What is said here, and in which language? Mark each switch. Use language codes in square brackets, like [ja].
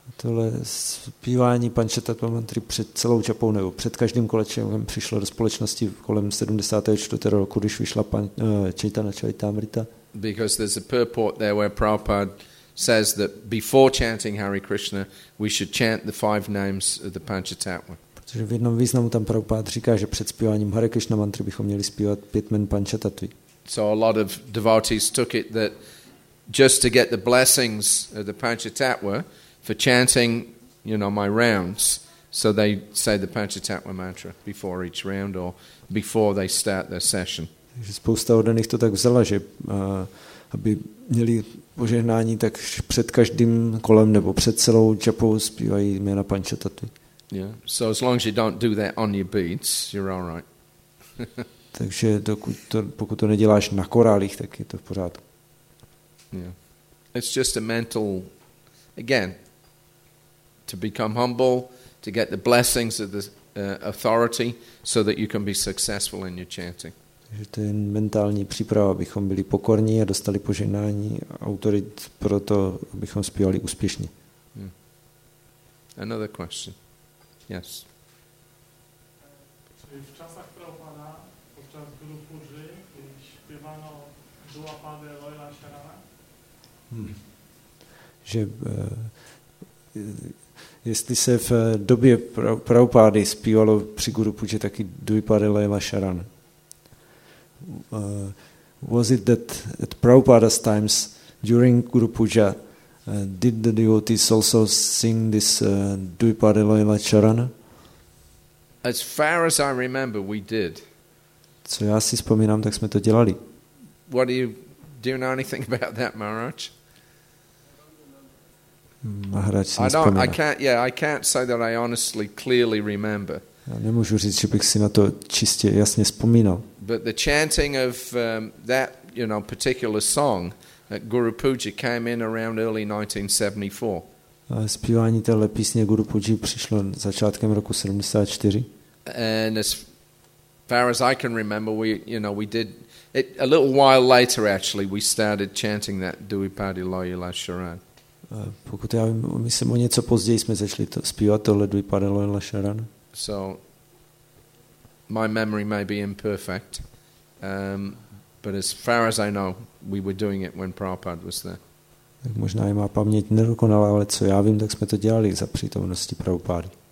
[cs] Tohle zpívání Panchatattva mantry před celou čapou nebo před každým kolečem přišlo do společnosti kolem 74. roku, když vyšla Chaitanya Charitamrita. [en] Because there's a purport there where Prabhupada says that before chanting Hare Krishna, we should chant the five names of the Panchatattva. [cs] Protože v jednom významu tam Prabhupada říká, že před zpíváním Hare Krishna mantry bychom měli zpívat pět jmen Panchatattvy. [en] So a lot of devotees took it that just to get the blessings of the Panchatattva for chanting, you know, my rounds, so they say the Panchatattva mantra before each round or before they start their session. [cs] Takže spousta odaných to tak vzala, že aby měli požehnání, tak před každým kolem nebo před celou japou zpívají jména Panchatattvy. [en] Yeah. So as long as you don't do that on your beads, you're all right. [cs] Takže pokud to neděláš na korálích, tak je to v pořádku. [en] Yeah. It's just a mental, again, to become humble, to get the blessings of the authority, so that you can be successful in your chanting. [cs] Že to je mentální příprava, abychom byli pokorní a dostali požehnání autorit pro to, abychom zpívali úspěšně. [en] Another question. Yes. [cs] V časách Prabhupada, počas Guru Puji, když zpívalo Dvapada Lojla Sharana, že jestli se v době Prabhupady zpívalo při Guru Puji taky Dvapada Lojla Sharana. [en] Was it that at Prabhupada's times during Guru Puja did the devotees also sing this Dvipada Loila Charana? As far as I remember, we did. [cs] Co já si vzpomínám, tak jsme to dělali. [en] What do you know anything about that, Maharaj? [cs] Maharaj si vzpomíná. [en] I can't say that I honestly clearly remember. [cs] Já nemůžu říct, že bych si na to čistě jasně vzpomínal. [en] But the chanting of that, you know, particular song at Guru Puja came in around early 1974. [cs] Zpívání téhle písně Guru Puji přišlo začátkem roku 74. [en] And as far as I can remember, we did it a little while later. Actually, we started chanting that Dvipada Loila Sharana. [cs] Pokud já vím, myslím, o něco později jsme začali to zpívat tohle Dvipada Loila Sharana. [en] So my memory may be imperfect, but as far as I know, we were doing it when Prabhupada was there. [cs] Tak možná i má paměť nedokonalá, ale co já vím, tak jsme to dělali za přítomnosti Prabhupády.